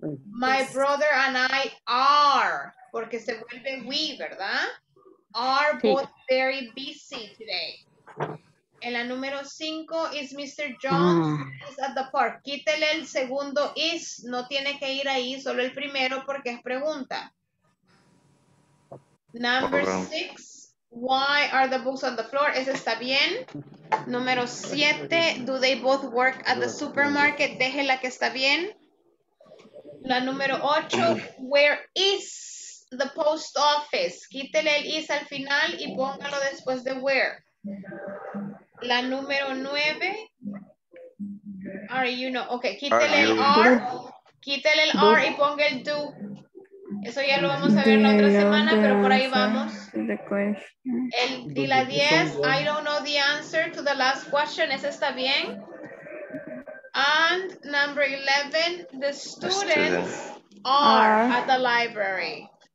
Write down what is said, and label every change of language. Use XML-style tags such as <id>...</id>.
<en>My brother and I are,</en> <es>porque se vuelve</es> <en>we,</en> <es>¿verdad?</es> <en>Are both very busy today.</en> <es>En la número 5</es> <en>is Mr. John is at the park.</en> <es>Quítele el segundo is, no tiene que ir ahí, solo el primero porque es pregunta.</es> <en>Number 6, why are the books on the floor?</en> <es>Ese está bien. Número 7,</es> <en>do they both work at the supermarket?</en> <es>Déjela que está bien. La número 8,</es> <en>where is the post office?</en> <es>Quítele el is al final y póngalo después de where. La número 9,</es> <en>are you know?</en> <es>Ok, quítele el R. Quítele el R y ponga el do. Eso ya lo vamos a ver la otra semana, pero por ahí vamos. Y la 10,</es> <en>I don't know the answer to the last question.</en> <es>Esa está bien.</es> <en>And number 11, the students are at the library.</en>